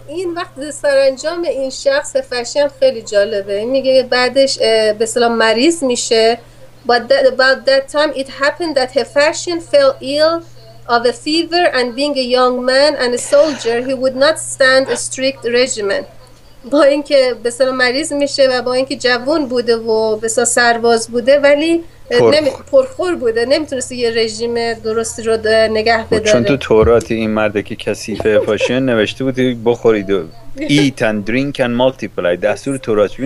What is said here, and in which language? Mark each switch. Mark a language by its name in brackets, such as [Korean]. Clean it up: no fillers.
[Persian] این وقت سرانجام این شخص هفشین خیلی جالبه. این میگه بعدش به اصطلاح مریض میشه. [English] About that time it happened that Hephaestion fell ill of a fever, and being a young man and a soldier, he would not stand a strict regimen. [Persian] با اینکه به سر مریض میشه و با اینکه جوان بوده و به سر سرباز بوده، ولی پرخور بوده، نمیتونست یه رژیم درستی رو نگه بداره. چون تو تورات این مرده که کثیف هفشین نوشته بوده بخورید و [English] eat and drink and multiply، [Persian] دستور تورات.